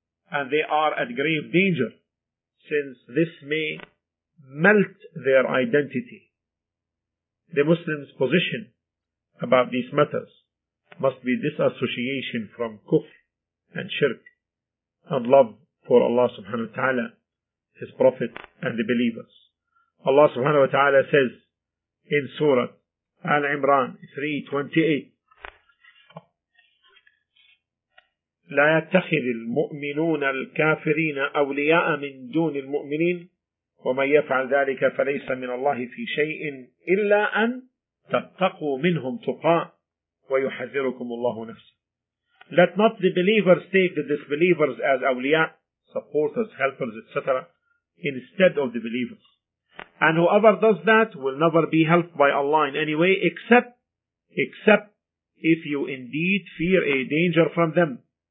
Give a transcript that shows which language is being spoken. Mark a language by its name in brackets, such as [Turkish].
[English] And they are at grave danger, since this may melt their identity. The Muslim's position about these matters must be disassociation from kufr and shirk, and love for Allah subhanahu wa ta'ala, His Prophet, and the believers. [Arabic] Allah subhanahu wa ta'ala [English] says in Surah Al-Imran 3:28, [Arabic] لا يتخذ المؤمنون الكافرين أولياء من دون المؤمنين وَمَنْ يَفْعَلْ ذَلِكَ فَلَيْسَ مِنَ اللَّهِ فِي شَيْءٍ إِلَّا أَنْ تَتَّقُوا مِنْهُمْ تُقَاءً وَيُحَذِّرُكُمُ اللَّهُ نَفْسًا. [English] Let not the believers take the disbelievers as awliya, supporters, helpers, etc., instead of the believers. And whoever does that will never be helped by Allah in any way, except if you indeed fear a danger from them.